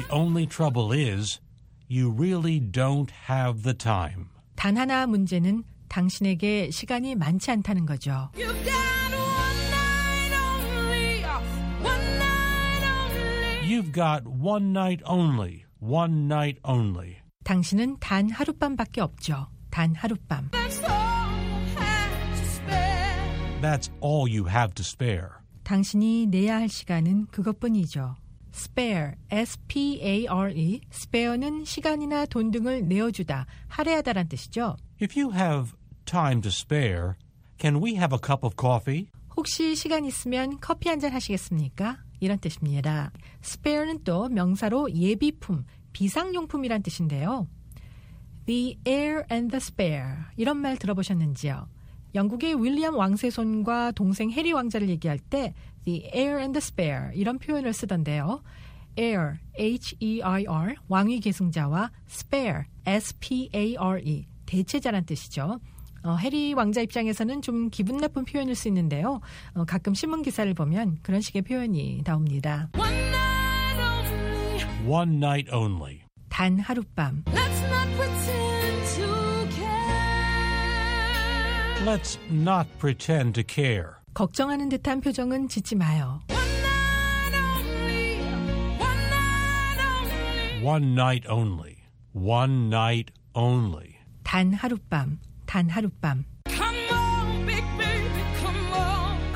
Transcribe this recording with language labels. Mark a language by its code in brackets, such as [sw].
[en] The only trouble is you really don't have the time. [ko] 단 하나 문제는 당신에게 시간이 많지 않다는 거죠. [en] You've got one night only. One night only. You've got one night only. One night only. [ko] 당신은 단 하룻밤밖에 없죠. 단 하룻밤. [en] That's all you have to spare. That's all you have to spare. [ko] 당신이 내야 할 시간은 그것뿐이죠. [en] Spare, S-P-A-R-E. [ko] Spare는 시간이나 돈 등을 내어주다, 할애하다란 뜻이죠. If you have time to spare, can we have a cup of coffee? 혹시 시간 있으면 커피 한잔 하시겠습니까? 이런 뜻입니다. Spare는 또 명사로 예비품, 비상용품이란 뜻인데요. [en] The heir and the spare. [ko] 이런 말 들어보셨는지요? 영국의 윌리엄 왕세손과 동생 해리 왕자를 얘기할 때 [en] The heir and the spare. [ko] 이런 표현을 쓰던데요. Heir, H-E-I-R, 왕위 계승자와 spare, S-P-A-R-E, 대체자란 뜻이죠. 해리 왕자 입장에서는 좀 기분 나쁜 표현일 수 있는데요. 가끔 신문 기사를 보면 그런 식의 표현이 나옵니다. [en] One night only. One night only. [ko] 단 하룻밤. [en] Let's not pretend to care. Let's not pretend to care. [ko] 걱정하는 듯한 표정은 짓지 마요. [en] One night only. One night only. One night only. One night only. [ko] 단 하룻밤. 단 하룻밤. [en] Come on, big baby, come on.